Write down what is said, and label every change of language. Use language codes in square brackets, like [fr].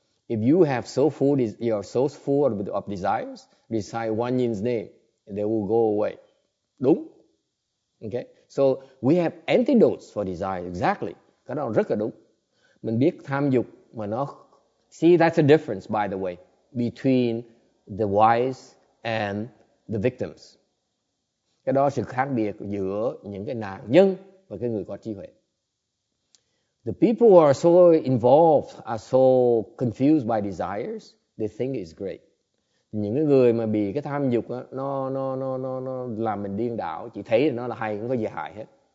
[en] If you have so full, you are so full of desires, recite One Yin's name, they will go away. [vi] Đúng? [en] Okay. So we have antidotes for desire, exactly. [vi] Cái đó rất là đúng. Mình biết tham dục mà nó... [en] See, that's the difference, by the way, between the wise and the victims. [vi] Cái đó sự khác biệt giữa những cái nạn nhân và cái người có trí huệ. [en] The people who are so involved, are so confused by desires, they think it's great. [vi] Những cái người mà bị cái tham dục đó, nó làm mình điên đảo, chỉ thấy nó là hay, không có gì hại hết.